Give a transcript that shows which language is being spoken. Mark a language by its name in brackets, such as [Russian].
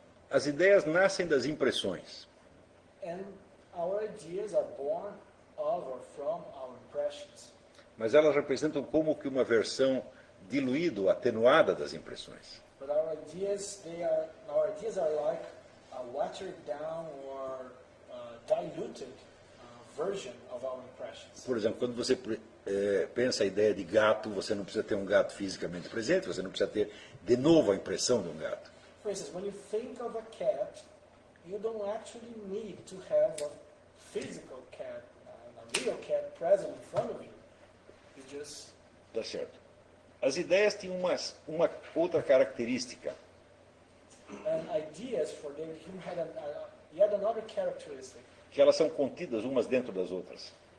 [Portuguese] As ideias nascem das impressões. [English] And our ideas are born of or from our impressions. [Portuguese] Mas elas representam como que uma versão diluída, atenuada das impressões. [English] But our ideas, are like a watered down or diluted version of our impressions. [Portuguese] Por exemplo, quando você pensa a ideia de gato, você não precisa ter um gato fisicamente presente, você não precisa ter de novo a impressão de um gato. [English] For instance, when you think of a cat, you don't actually need to have a physical cat, a real cat present in front of you. [Portuguese] Tá certo. As ideias têm uma outra característica. [English] And ideas for David Hume had yet another characteristic. [Portuguese] Que elas são contidas umas dentro das outras.